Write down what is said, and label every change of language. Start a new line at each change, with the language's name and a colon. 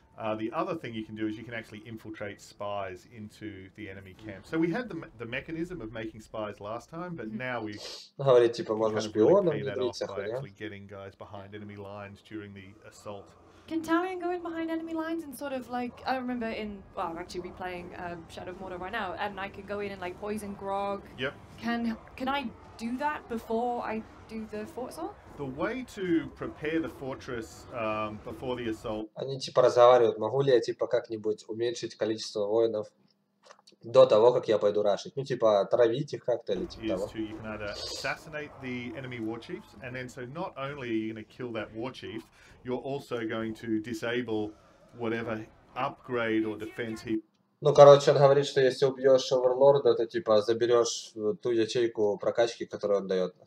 English: The other thing you can do is you can actually infiltrate spies into the enemy camp. So we had the mechanism of making spies last time, but now we
Russian: говорит типа можно шпионом внедриться, хуйня.
English: Actually getting guys behind enemy lines during the assault. Can Talion go in behind enemy lines and sort of like I remember in well I'm actually replaying Shadow of Mordor right now and I can go in and like poison Grog. Yep. Can I do that before I do the fort assault? The way to prepare the fortress before the assault.
Russian: Они типа разговаривают. Могу ли я типа как-нибудь уменьшить количество воинов до того, как я пойду рашить? Ну типа травить их как-то или типа того.
English: You can either assassinate the enemy war chiefs, and then so not only are you going to kill that war chief, you're also going to disable whatever upgrade or defense he.
Russian: Ну, короче, он говорит, что если убьешь оверлорда, то типа заберешь ту ячейку прокачки, которую он дает.